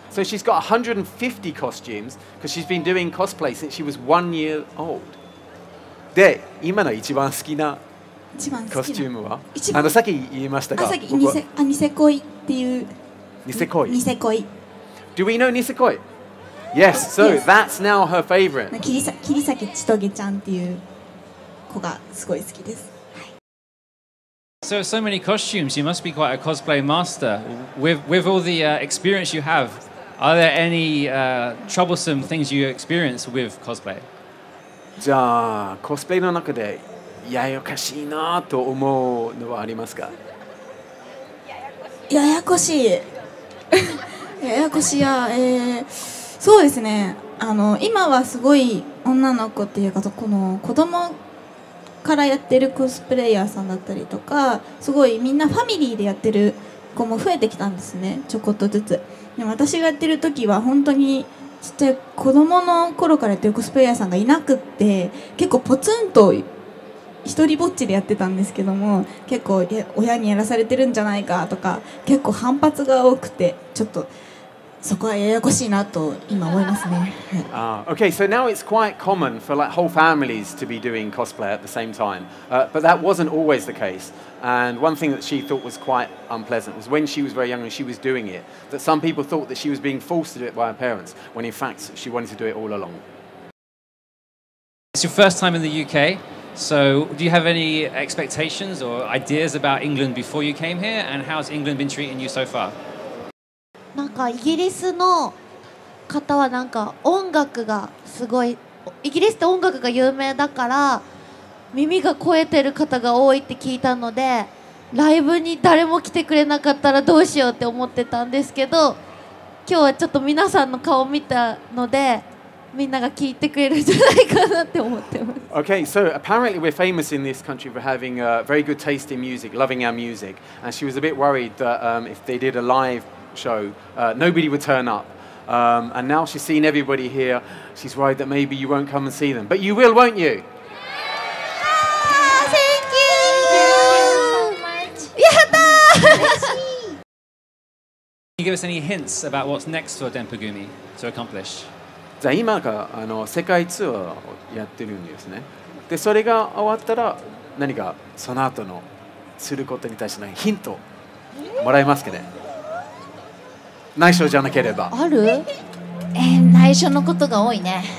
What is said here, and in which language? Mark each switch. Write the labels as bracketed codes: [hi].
[en] So she's got 150 costumes because she's been doing cosplay since she was 1 year old. [ja] で、今の一番好きなコスチュームは、あのさっき言いましたが、あ、ニセコイっていう、ニセコイ、ニセコイ。 [en] Do we know Nisekoi? Yes, so yes. That's now her favorite. [ja] Kirisaki Chitoge-chan っていう子がすごい好きです。 [en] So, so many costumes, you must be quite a cosplay master. With all the experience you have, are there any troublesome things you experience with cosplay? [ja] じゃあ、コスプレの中でややこしいなと思うのはありますか？ややこしい。ややこしや、そうですね、あの今はすごい女の子っていうかこの子供からやってるコスプレイヤーさんだったりとかすごいみんなファミリーでやってる子も増えてきたんですね、ちょこっとずつ。でも私がやってる時は本当にちっちゃい子供の頃からやってるコスプレイヤーさんがいなくって結構ポツンと一人ぼっちでやってたんですけども、結構親にやらされてるんじゃないかとか結構反発が多くてちょっとそこはややこしいなと今思いますね。 [en] Okay, so now it's quite common for like whole families to be doing cosplay at the same time.、but that wasn't always the case. And one thing that she thought was quite unpleasant was when she was very young and she was doing it, that some people thought that she was being forced to do it by her parents, when in fact she wanted to do it all along. It's your first time in the UK, so do you have any expectations or ideas about England before you came here? And how's England been treating you so far? [ja] なんかイギリスの方はなんか音楽がすごい、イギリスって音楽が有名だから耳が肥えてる方が多いって聞いたので、ライブに誰も来てくれなかったらどうしようって思ってたんですけど、今日はちょっと皆さんの顔を見たのでみんなが聞いてくれるんじゃないかなって思ってます。 [en] Okay, so apparently we're famous in this country for having a very good taste in music, loving our music, and she was a bit worried that、if they did a liveshow, nobody would turn up. And now she's seen everybody here, she's worried that maybe you won't come and see them. But you will, won't you? Yeah, thank you! Thank you so much! [ja] Yatta! [en] Can you give us any hints about what's next for Dempagumi to accomplish? [ja] じゃあ今があの世界ツアーをやってるんですね。で、それが終わったら何かその後のすることに対してのヒントもらえますかね？内緒じゃなければある？内緒のことが多いね。